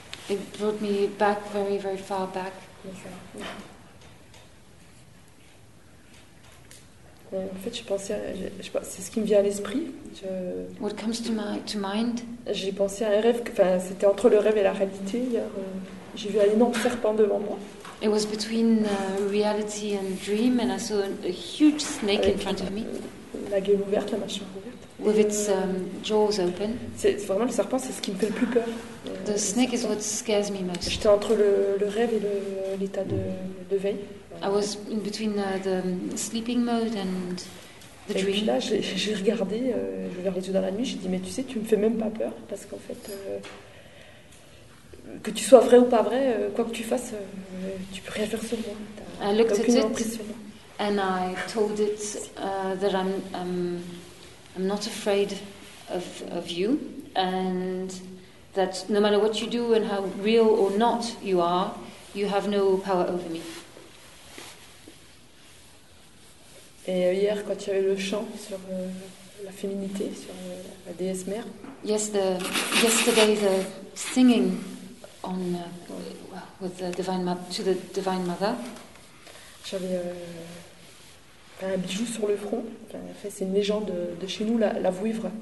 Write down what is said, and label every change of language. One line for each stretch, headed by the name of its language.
English: It brought me back very, very far back.
French: Oui, en fait, je pensais à, je sais pas, c'est ce qui me vient à l'esprit.
English: What comes to mind?
French: J'ai pensé à un rêve, enfin, c'était entre le rêve et la réalité hier. J'ai vu un énorme serpent devant moi.
English: It was between reality and dream, and I saw a huge snake
French: avec
English: in front of me.
French: La gueule ouverte, la mâchoire ouverte.
English: With its jaws open.
French: C'est vraiment le serpent, c'est ce qui me fait le plus peur.
English: The snake is what scares me most.
French: J'étais entre le rêve et l'état de veille.
English: I was in between the sleeping mode and the
French: et
English: dream.
French: Et puis là, j'ai regardé, j'ai ouvert les yeux dans la nuit, j'ai dit, mais tu sais, tu me fais même pas peur, parce qu'en fait, que tu sois vrai ou pas vrai, quoi que tu fasses, tu peux rien faire sur moi.
English: I looked at it and I told it that I'm not afraid of you, and that no matter what you do and how real or not you are, you have no power over me.
French: Et hier, quand il y avait le chant sur la féminité, sur la déesse mère.
English: Yes, yesterday the singing on with the divine to the divine mother.
French: J'avais un bijou sur le front. Enfin, en fait, c'est une légende de chez nous, la vouivre.